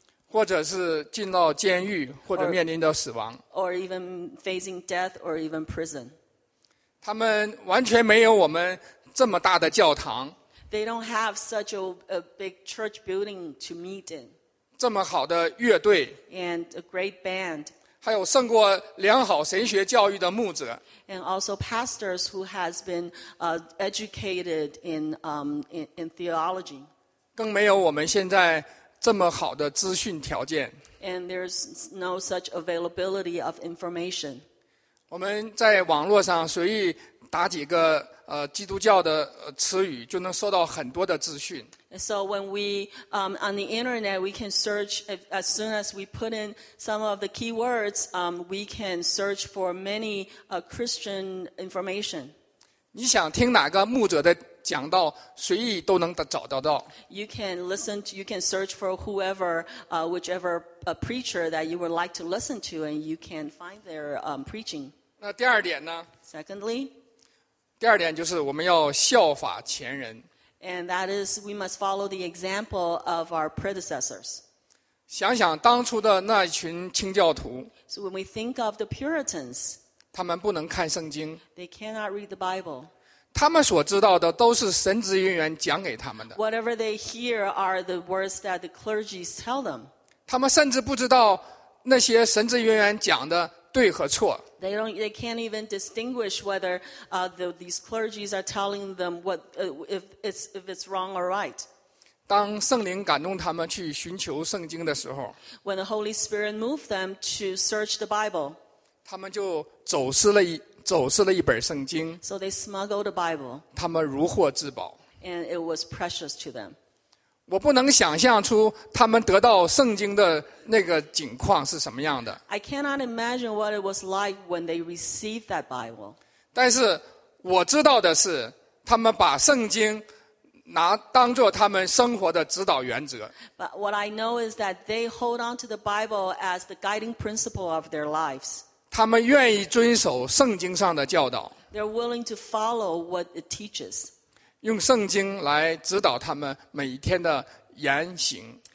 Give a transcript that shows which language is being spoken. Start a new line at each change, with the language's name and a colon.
Chinese: 或者是进到监狱，或者面临的死亡。
English: Or even facing death, or even prison.
Chinese: 他们完全没有我们这么大的教堂。
English: They don't have such a big church building to meet in.
Chinese: 这么好的乐队。
English: And a great band.
Chinese: 还有胜过良好神学教育的牧者
English: ，and also pastors who has been educated in theology，
Chinese: 更没有我们现在这么好的资讯条件
English: ，and there's no such availability of information。
Chinese: 我们在网络上随意打几个基督教的词语，就能收到很多的资讯。
English: So when we on the internet, we can search as soon as we put in some of the keywords, we can search for many Christian information.
Chinese: 你想听哪个牧者的讲道，随意都能找得到。
English: You can listen. You can search for whoever, whichever a preacher that you would like to listen to, and you can find their preaching.
Chinese: 那第二点呢
English: ？Secondly,
Chinese: 第二点就是我们要效法前人。
English: And that is, we must follow the example of our predecessors.
Chinese: 想想当初的那群清教徒。
English: So when we think of the Puritans,
Chinese: 他们不能看圣经。
English: They cannot read the Bible.
Chinese: 他们所知道的都是神职人员讲给他们的。
English: Whatever they hear are the words that the clergy tell them.
Chinese: 他们甚至不知道那些神职人员讲的对和错。
English: They can't even distinguish whether these clergy are telling them if it's wrong or right.
Chinese: 当圣灵感动他们去寻求圣经的时候
English: ，When the Holy Spirit moved them to search the Bible,
Chinese: 他们就走失了一本圣经。
English: So they smuggled the Bible.
Chinese: 他们如获至宝。
English: And it was precious to them.
Chinese: 我不能想象出他们得到圣经的那个景况是什么样的。
English: I cannot imagine what it was like when they received that Bible.
Chinese: 但是我知道的是，他们把圣经拿当作他们生活的指导原则。
English: But what I know is that they hold on to the Bible as the guiding principle of their lives.
Chinese: 他们愿意遵守圣经上的教导。
English: They're willing to follow what it teaches.
Chinese: 用圣经来指导他们每一天的言行。